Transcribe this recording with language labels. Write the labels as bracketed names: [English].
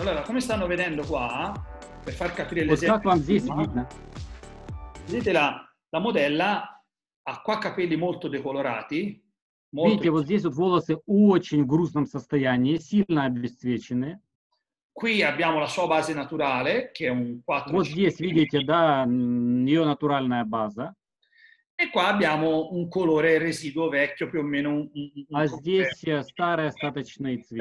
[Italian] Allora, come stanno vedendo qua, per far capire l'esempio, vedete la modella ha qua capelli molto decolorati. [Russian] Видите, вот здесь вот волосы очень в грустном состоянии, сильно обесцвеченные. [Italian] Qui abbiamo la sua base naturale, che è un 4. [Russian] Вот здесь видите, да, ее натуральная база. [Italian] E qua abbiamo un colore residuo vecchio, più o meno un [Russian] А здесь старый остаточный цвет.